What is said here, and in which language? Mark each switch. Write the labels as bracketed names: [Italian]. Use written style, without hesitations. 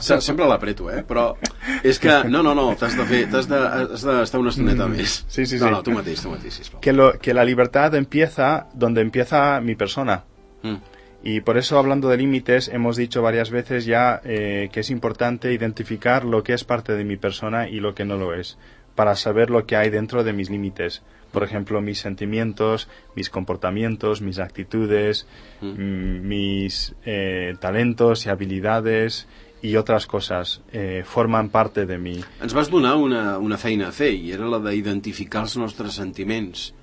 [Catalan] Sempre l'apreto, però és que... No, t'has d'estar una estoneta més. Sí. No, tu mateix, sisplau. [Spanish] Que la libertad empieza donde empieza mi persona. Y por eso, hablando de límites, hemos dicho varias veces ya que es importante identificar lo que es parte de mi persona y lo que no lo es. para saber lo que hay dentro de mis límites. Por ejemplo, mis sentimientos, mis comportamientos, mis actitudes, mis talentos y habilidades y otras cosas forman parte de mí. [Catalan] Ens vas donar una feina a fer i era la d'identificar els nostres sentiments.